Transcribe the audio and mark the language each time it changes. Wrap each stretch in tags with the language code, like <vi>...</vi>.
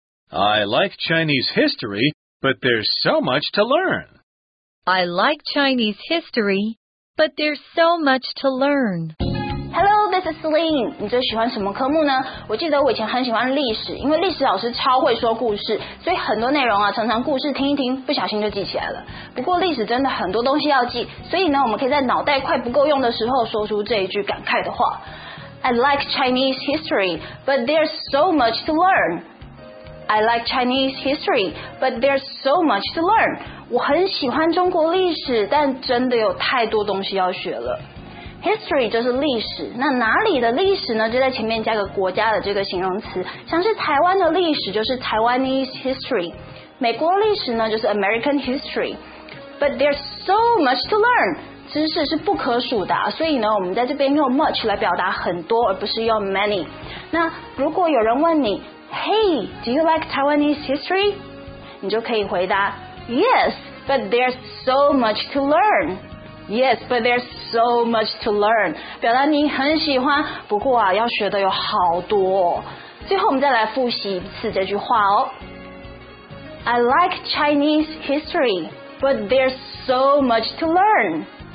<en>I like Chinese history, but there's so much to learn. I like Chinese history, but there's so much to learn. Hello, this is Lin.</en> <zh>你最喜欢什么科目呢？我记得我以前很喜欢历史，因为历史老师超会说故事，所以很多内容啊，常常故事听一听，不小心就记起来了。不过历史真的很多东西要记，所以呢，我们可以在脑袋快不够用的时候说出这一句感慨的话。</zh> <en>I like Chinese history, but there's so much to learn. I like Chinese history, but there's so much to learn.</en> <zh>我很喜欢中国历史，但真的有太多东西要学了。 History 就是历史，那哪里的历史呢？就在前面加个国家的这个形容词，像是台湾的历史就是 Taiwanese history， 美国历史呢就是 American history。</zh> <en>But there's so much to learn.</en> <zh>知识是不可数的，所以呢，我们在这边用 much 来表达很多，而不是用 many。那如果有人问你</zh> <en>，Hey, do you like Taiwanese history？</en> <zh>你就可以回答</zh> <en>，Yes, but there's so much to learn。 Yes, but there's so much to learn。</en> <zh>表达你很喜欢，不过啊，要学的有好多、哦。最后，我们再来复习一次这句话哦。</zh> <en>I like Chinese history, but there's so much to learn.</en>